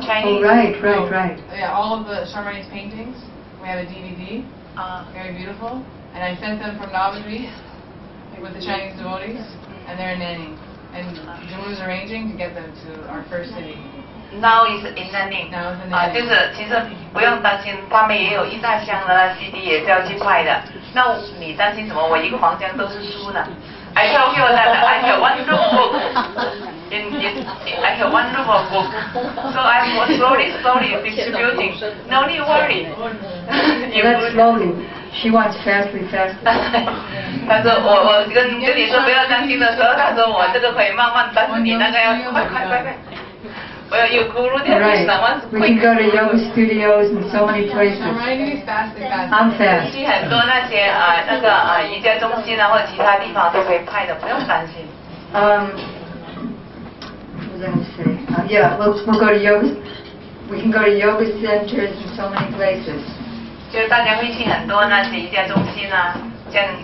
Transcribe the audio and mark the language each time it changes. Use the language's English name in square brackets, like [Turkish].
[English] Chinese. Oh, right. Yeah, all of the Syamarani's paintings. We have a DVD. Very beautiful. And I sent them from Navadri with the Chinese devotees, and they're in Hanyi. And Jumu is arranging to get them to our first city. Now is in Nanning. Now is in Nanning. [Chinese] 就是其实不用担心，他们也有一大箱的 CD 也是要去派的。那你担心什么？我一个房间都是书呢。 [English] I tell you that I have one room book. I have one room of book. So I'm slowly distributing. No need worry. That's slowly. She wants fastly. [Chinese] 他说我跟你说不要担心的时候，他说我这个可以慢慢，但是你那个要快。我要有咕噜点，什么？ [English] We can go to yoga studios and so many places. I'm fast. [Chinese] 去很多那些瑜伽中心啊，或者其他地方都可以派的，不用担心。 [English] We'll go to yoga. We can go to yoga centers in so many places. [Chinese] 就大家会去很多那些瑜伽中心啊，像。